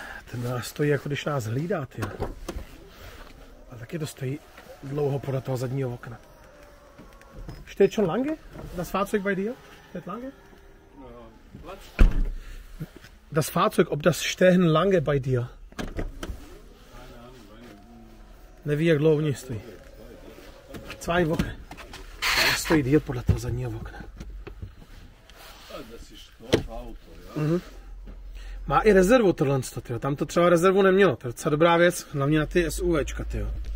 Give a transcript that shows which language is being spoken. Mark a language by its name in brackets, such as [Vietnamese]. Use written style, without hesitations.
[Czech] Ten nás stojí, jako když nás hlídá, ty. A taky to stojí dlouho podle toho zadního okna. [German] Steht schon lange das Fahrzeug bei dir? Steht lange? Das Fahrzeug, ob das stehen lange bei dir? [Czech] Neví, jak dlouho v ní stojí. [German] Zwei Wochen. [Czech] Das stojí díl podle toho zadního okna. [German] Das ist Sportauto, ja? Mhm. [Czech] Má i rezervu tohle, tyjo. Tam to třeba rezervu nemělo. To je docela dobrá věc, hlavně na ty SUVčka, tyjo.